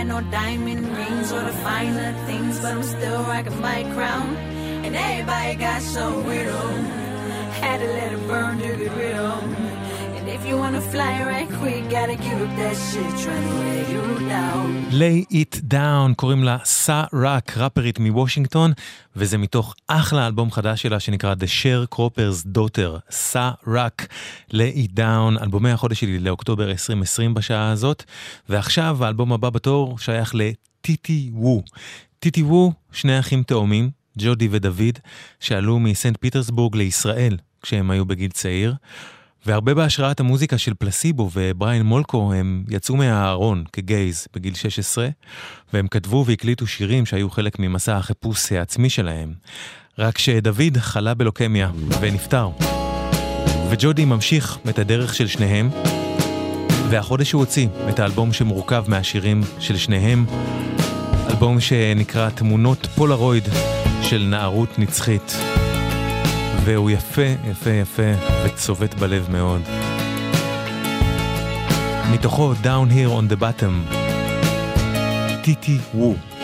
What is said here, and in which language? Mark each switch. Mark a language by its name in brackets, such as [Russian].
[English] diamond rings or the finer things, but I'm still rocking my crown. And everybody got some riddle, had to let it burn to get rid of. And if you wanna fly right quick, gotta give up that shit, trying to lay you down. [Hebrew] Lay it down, קוראים לה סא-רק, רפרית מוושינגטון, וזה מתוך אחלה אלבום חדש שלה שנקרא The Share Cropper's Daughter, סא-רק, Lay It Down, אלבומי החודש שלי לאוקטובר 2020 בשעה הזאת, ועכשיו האלבום הבא בתור שייך לטיטי וו. טיטי וו, שני אחים תאומים, ג'ודי ודוד, שעלו מסנט פיטרסבורג לישראל כשהם היו בגיל צעיר, והרבה בהשראת המוזיקה של פלסיבו ובריין מולקו, הם יצאו מהארון כגייז בגיל 16, והם כתבו והקליטו שירים שהיו חלק ממסע החיפוש העצמי שלהם. רק שדוד חלה בלוקמיה ונפטר. וג'ודי ממשיך את הדרך של שניהם, והחודש הוא הוציא את האלבום שמורכב מהשירים של שניהם, אלבום שנקרא תמונות פולרויד של נערות נצחית. והוא יפה, יפה, יפה, וצובט בלב מאוד. מתוכו, Down Here on the Bottom, טיטי וו.